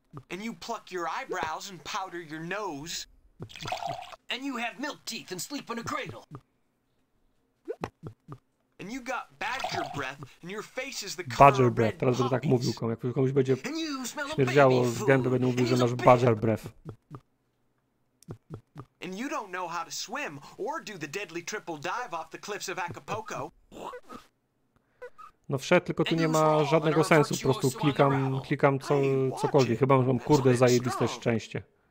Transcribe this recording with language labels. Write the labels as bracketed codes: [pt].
[en] And you pluck your eyebrows and powder your nose. And you have milk teeth and sleep in a cradle. And you got badger breath and your face is the color badger of breath. Red puppies. [pl] Teraz by tak mówił, jak komuś będzie śmierdziało z gęby, będę mówił, że masz [en] badger breath. And you don't know how to swim or do the deadly triple dive off the cliffs of Acapulco. [pl] No wszedł, tylko tu nie ma żadnego sensu. Po prostu klikam cokolwiek. Chyba mam kurde zajebiste szczęście.